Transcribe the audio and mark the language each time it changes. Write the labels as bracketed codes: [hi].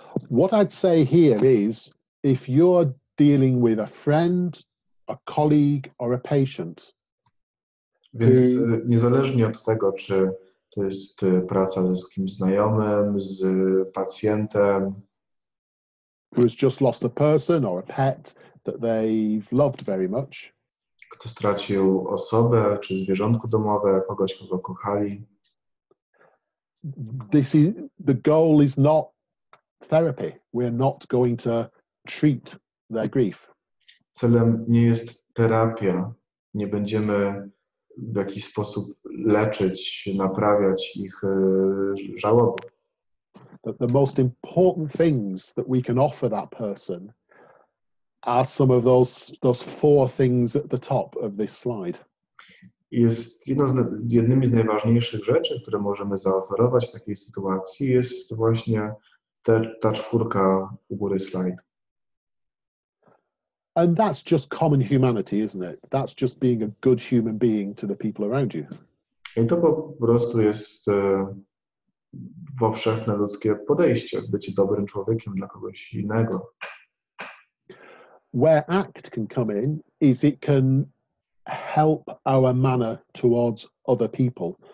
[en] What I'd say here is, if you're dealing with a friend, a colleague, or a patient. [pl] Więc niezależnie od tego, czy to jest praca ze kimś znajomym, z pacjentem, [en] who has just lost a person or a pet that they've loved very much. [pl] Kto stracił osobę czy zwierzątko domowe, kogoś, kogo kochali. [en] The goal is not therapy. We're not going to treat their grief. [pl] Celem nie jest terapia. Nie będziemy w jakiś sposób leczyć, naprawiać ich żałoby. [en] That the most important things that we can offer that person are some of those four things at the top of this slide. [pl] Jest jednymi z najważniejszych rzeczy, które możemy zaoferować w takiej sytuacji, jest właśnie ta czwórka u góry slide. [en] And that's just common humanity, isn't it? That's just being a good human being to the people around you. [pl] I to po prostu jest powszechne ludzkie podejście, być dobrym człowiekiem dla kogoś innego. [en] Where ACT can come in is it can help our manner towards other people.